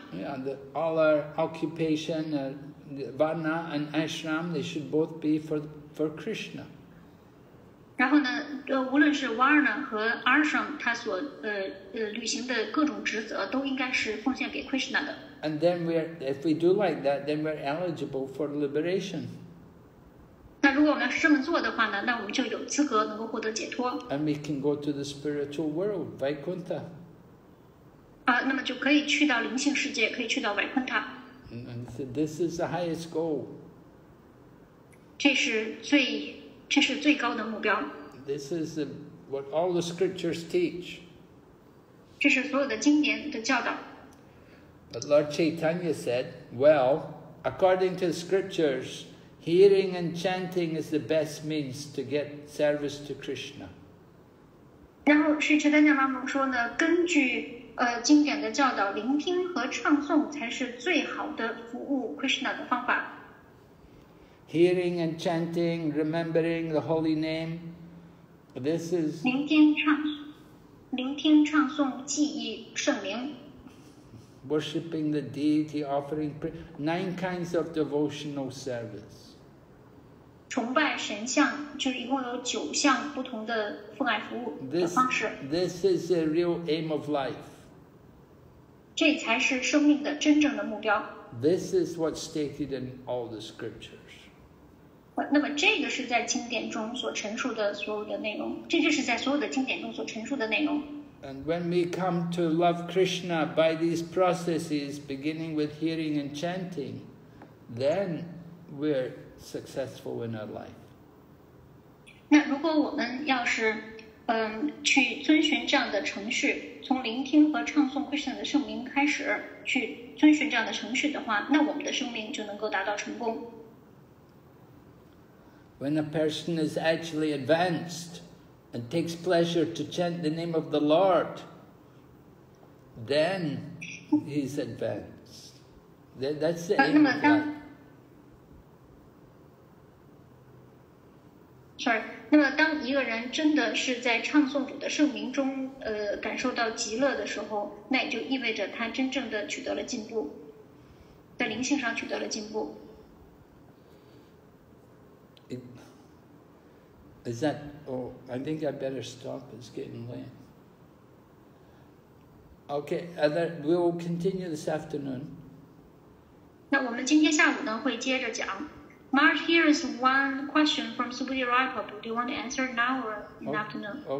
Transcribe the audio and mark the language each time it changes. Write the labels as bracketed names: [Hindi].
[English] Yeah, the, all our occupation, varna and ashram, they should both be for Krishna. [Chinese] 然后呢，无论是 varna 和 ashram， 他所履行的各种职责，都应该是奉献给 Krishna 的。 [English] And then if we do like that, then we're eligible for liberation. [Chinese] 那如果我们要是这么做的话呢，那我们就有资格能够获得解脱。 [English] And we can go to the spiritual world, Vaikuntha. [Chinese] 那么就可以去到灵性世界，可以去到 Vaikuntha. [English] And so this is the highest goal. [Chinese] 这是最高的目标。 [English] This is what all the scriptures teach. [Chinese] 这是所有的经典的教导。 [English] But Lord Chaitanya said, well, according to the scriptures, hearing and chanting is the best means to get service to Krishna. [Chinese] 然后是陈丹娘妈妈说呢，根据经典的教导，聆听和唱诵才是最好的服务 Krishna 的方法。 [English] Hearing and chanting, remembering the holy name, this is... [Chinese] 聆听唱诵记忆圣名。 [English] Worshipping the deity, offering nine kinds of devotional service. [Chinese] 崇拜神像就是一共有九项不同的奉爱服务的方式。 [English] This is the real aim of life. [Chinese] 这才是生命的真正的目标。 [English] This is what's stated in all the scriptures. [Chinese] 那么这个是在经典中所陈述的所有的内容，这就是在所有的经典中所陈述的内容。 [English] And when we come to love Krishna by these processes, beginning with hearing and chanting, then we're successful in our life. [Chinese] 那如果我们要是去遵循这样的程序，从聆听和唱诵 Krishna 的圣名开始，去遵循这样的程序的话，那我们的生命就能够达到成功。 [English] When a person is actually advanced, and takes pleasure to chant the name of the Lord, then he's advanced. That's the aim of life. Sorry. [Chinese] 那么当一个人真的是在唱诵主的圣名中感受到极乐的时候，那也就意味着他真正的取得了进步，在灵性上取得了进步。 [English] Is that, oh, I think I better stop, it's getting late. Okay, we will continue this afternoon. [Chinese] 那我们今天下午呢会接着讲。 [English] Marge, here is one question from Subhuti Rai Prabhu. Do you want to answer now or afternoon?